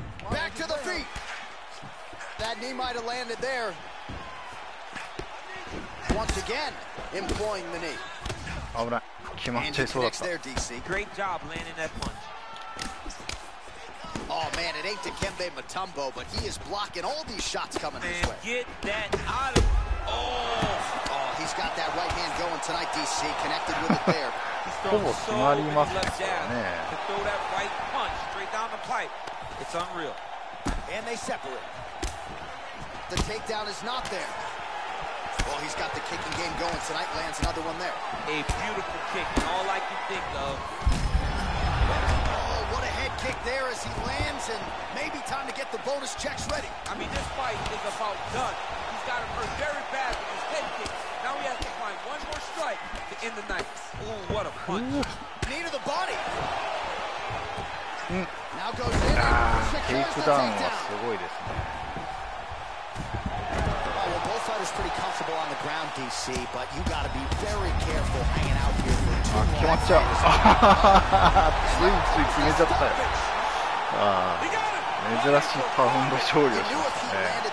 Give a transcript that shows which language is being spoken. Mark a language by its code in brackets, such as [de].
[en] Back to the feet. That knee might have landed there. Once again, employing the knee. [ja] 危ない、決まっちゃいそうだった。 [en] Great job landing that punch. Oh man, it ain't Dikembe Mutombo, but he is blocking all these shots coming man, his way. Get that out of... Oh! Oh, he's got that right hand going tonight, DC. Connected with it there. He's throwing so many left jabs to throw that right punch straight down the pipe. It's unreal. And they separate. The takedown is not there. Well, he's got the kicking game going tonight. Lands another one there. A beautiful kick, all I can think of. Kick there as he lands, and maybe time to get the bonus checks ready. I mean, this fight is about done. He's got him hurt very bad with his head kick. Now he has to find one more strike to end the night. Ooh, what a punch. Knee to the body. Now goes in and secures the takedown. Oh, well, both sides are pretty comfortable on the ground, DC, but you got to be very careful hanging out here. [ja] あ、決まっちゃう。ついつい決めちゃったよ。あ、珍しいパウンド勝利をしましたね。